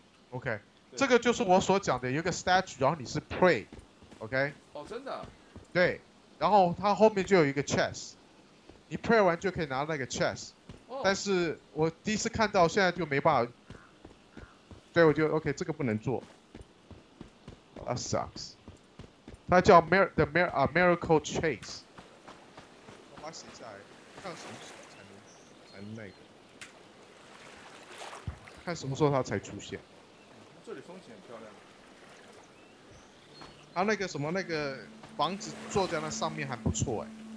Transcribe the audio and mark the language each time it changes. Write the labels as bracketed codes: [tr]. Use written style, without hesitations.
[zh] OK，这个就是我所讲的，有个 statue，然后你是 pray，OK？哦，真的啊。对，然后它后面就有一个 chest，你 pray 完就可以拿那个 chest，但哦，是我第一次看到，现在就没办法，对，我就 OK，这个不能做。 [en] That sucks。 [zh] 它叫 Miracle Chase。把它写下来，看什么时候才能那个，看什么时候它才出现。这里风景很漂亮。它那个什么那个房子坐在那上面还不错哎。